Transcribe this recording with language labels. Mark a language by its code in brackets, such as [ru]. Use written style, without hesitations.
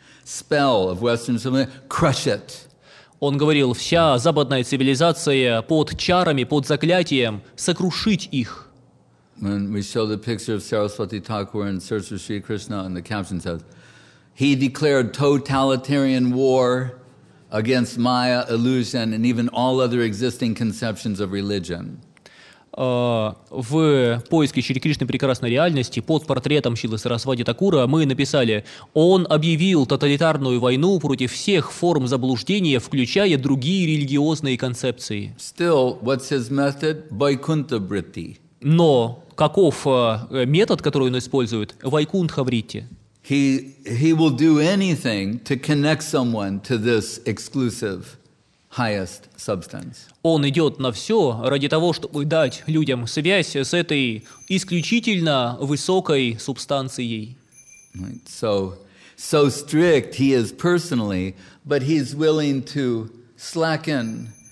[en] Spell of Western civilization, crush it. [ru] Он говорил, вся западная цивилизация под чарами, под заклятием, сокрушить их. [en] When we show the picture of Saraswati Thakur in Search for Sri Krishna, and the caption says, he declared totalitarian war against Maya, illusion, and even all other existing conceptions of religion. [ru] В поиске Шри Кришны прекрасной реальности под портретом Шрилы Сарасвати Такура мы написали «Он объявил тоталитарную войну против всех форм заблуждения, включая другие религиозные концепции». [en] Still, what's his method? Вайкунтха вритти. [ru] Но каков метод, который он использует? Вайкунтха вритти. [en] He will do anything to connect someone to this exclusive highest substance. [ru] Он идет на все ради того, чтобы дать людям связь с этой исключительно высокой субстанцией. [en] So strict he is personally, but he's willing to slacken.